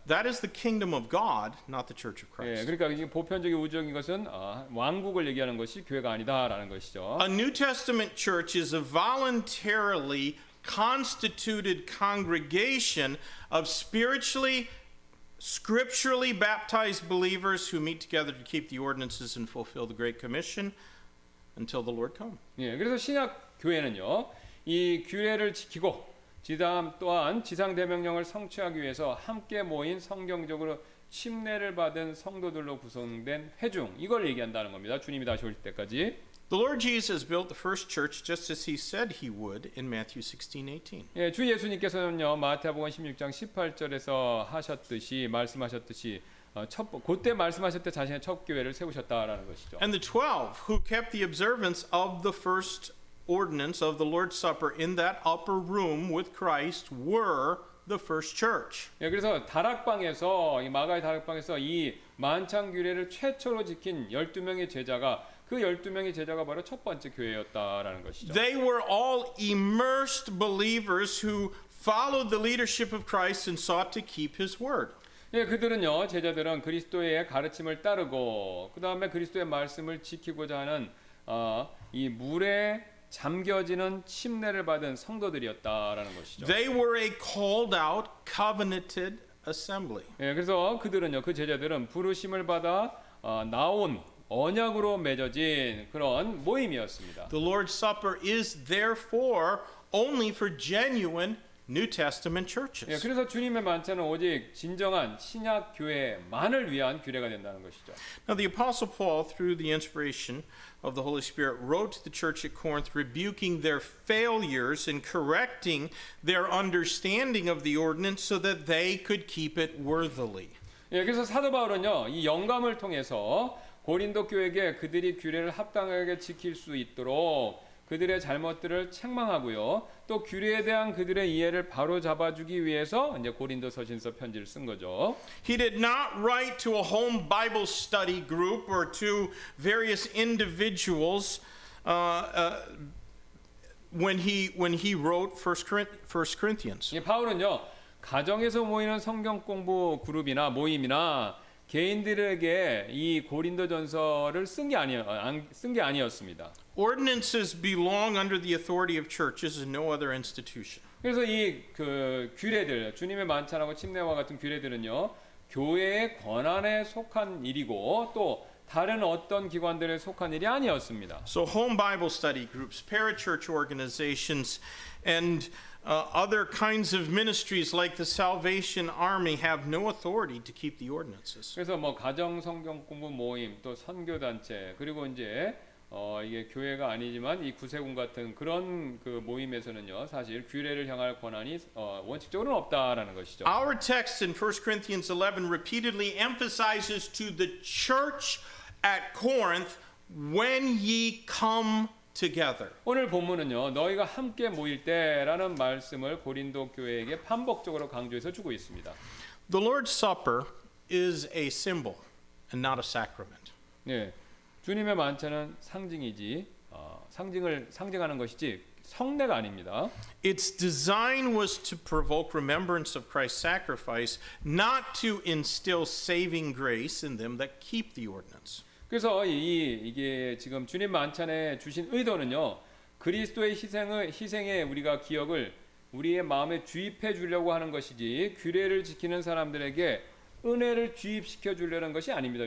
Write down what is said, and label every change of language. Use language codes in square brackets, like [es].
[en] That is the kingdom of God, not the church of Christ. [ko] 예, 그러니까 보편적인 우주적인 것은 왕국을 얘기하는 것이 교회가 아니다라는 것이죠. [en] A New Testament church is a voluntarily constituted congregation of spiritually, scripturally baptized believers who meet together to keep the ordinances and fulfill the Great Commission until the Lord comes. [ko] 예, 그래서 신약 교회는요, 이 규례를 지키고 지담 또한 지상 대명령을 성취하기 위해서 함께 모인 성경적으로 침례를 받은 성도들로 구성된 회중 이걸 얘기한다는 겁니다. 주님이 다시 오실 때까지. [en] The Lord Jesus built the first church just as He said He would in Matthew 16:18. [ko] 예, 주 예수님께서는요 마태복음 16장 18절에서 하셨듯이 말씀하셨듯이. 그때 말씀하실 때 자신의 첫 교회를 세우셨다라는 것이죠. [en] And the 12 who kept the observance of the first ordinance of the Lord's Supper in that upper room with Christ were the first church. [ko] 예, 그래서 다락방에서 이 마가의 다락방에서 이 만찬 규례를 최초로 지킨 12명의 제자가 그 12명의 제자가 바로 첫 번째 교회였다라는 것이죠. [en] They were all immersed believers who followed the leadership of Christ and sought to keep his word. [ko] 예, 그들은요, 제자들은 그리스도의 가르침을 따르고 그다음에 그리스도의 말씀을 지키고자 하는 이 물에 잠겨지는 침례를 받은 성도들이었다라는 것이죠. [en] They were a called out covenanted assembly. [ko] 예, 그래서 그들은요, 그 제자들은 부르심을 받아 나온 언약으로 맺어진 그런 모임이었습니다. [en] The Lord's Supper is therefore only for genuine New Testament churches. [ko] 예, 그래서 주님의 만찬은 오직 진정한 신약 교회만을 위한 규례가 된다는 것이죠. [en] Now the Apostle Paul, through the inspiration of the Holy Spirit, wrote to the church at Corinth, rebuking their failures and correcting their understanding of the ordinance, so that they could keep it worthily. [ko] 예, 그래서 사도 바울은요, 이 영감을 통해서 고린도 교회에게 그들이 규례를 합당하게 지킬 수 있도록. 그들의 잘못들을 책망하고요. 또 규례에 대한 그들의 이해를 바로 잡아주기 위해서 이제 고린도 서신서 편지를 쓴 거죠. [en] He did not write to a home Bible study group or to various individuals when he wrote 1 Corinthians. [ko] 예, 바울은요. 가정에서 모이는 성경 공부 그룹이나 모임이나 개인들에게 이 고린도전서를 쓴 게 아니었습니다. [en] Ordinances belong under the authority of churches and no other institution. [ko] 그래서 이 그 규례들, 주님의 만찬하고 침례와 같은 규례들은요, 교회의 권한에 속한 일이고 또 다른 어떤 기관들에 속한 일이 아니었습니다. [en] So home Bible study groups, parachurch organizations, and other kinds of ministries like the Salvation Army have no authority to keep the ordinances. [ko] 그래서 뭐 가정 성경 공부 모임 또 선교 단체 그리고 이제 이게 교회가 아니지만 이 구세군 같은 그런 그 모임에서는요 사실 규례를 향할 권한이 원칙적으로는 없다라는 것이죠. [en] Our text in 1 Corinthians 11 repeatedly emphasizes to the church at Corinth when ye come together. [ko] 오늘 본문은요 너희가 함께 모일 때라는 말씀을 고린도 교회에게 반복적으로 강조해서 주고 있습니다. [en] The Lord's Supper is a symbol and not a sacrament. [ko] 네. 주님의 만찬은 상징이지 상징을 상징하는 것이지 성례가 아닙니다. [en] Its design was to provoke remembrance of Christ's sacrifice, not to instill saving grace in them that keep the ordinance. [ko] 그래서 이게 지금 주님 만찬에 주신 의도는요. 그리스도의 희생의 우리가 기억을 우리의 마음에 주입해 주려고 하는 것이지 규례를 지키는 사람들에게 은혜를 주입시켜 주려는 것이 아닙니다.